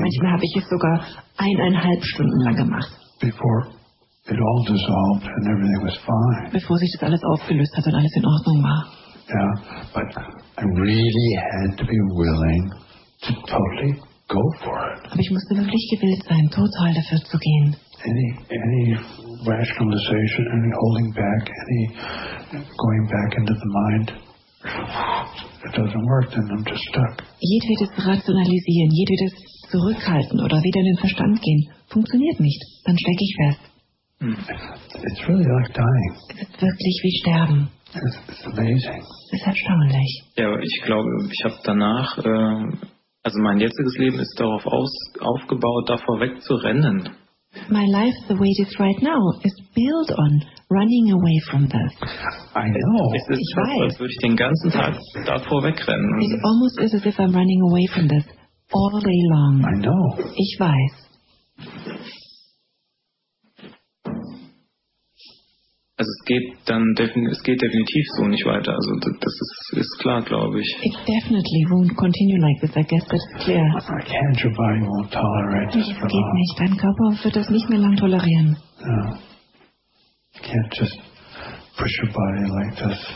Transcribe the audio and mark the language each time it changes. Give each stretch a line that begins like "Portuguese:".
German: Manchmal habe ich es sogar eineinhalb Stunden lang gemacht.
English: Before it all dissolved and everything was fine.
German: Bevor sich das alles aufgelöst hat und alles in Ordnung war.
English: Yeah, but I really had to be willing to totally go for it.
German: Aber ich musste wirklich gewillt sein, total dafür zu gehen.
English: Any rationalization, any holding back, any going back into the mind, it doesn't work, then I'm just stuck.
German: Jedwedes Rationalisieren, jedwedes Zurückhalten oder wieder in den Verstand gehen, funktioniert nicht, dann stecke ich fest.
English: It's really like dying.
German: Es ist wirklich wie sterben.
English: It's amazing.
German: Es ist erstaunlich. Ja, ich glaube, ich habe danach, also mein jetziges Leben ist darauf aufgebaut, davor wegzurennen.
English: My life, the way it is right now, is built on running away from this. I know.
German: Ich weiß. Als würde ich den ganzen Tag davor wegrennen.
English: It almost is as if I'm running away from this all day long. I know.
German: Ich weiß. Also es geht definitiv so nicht weiter. Also das ist klar, glaube ich.
English: It definitely won't continue like this. I guess that's clear. I can't, your body won't tolerate this for long.
German: Geht nicht. Dein Körper wird das nicht mehr lang tolerieren.
English: No. You can't just push your body like this.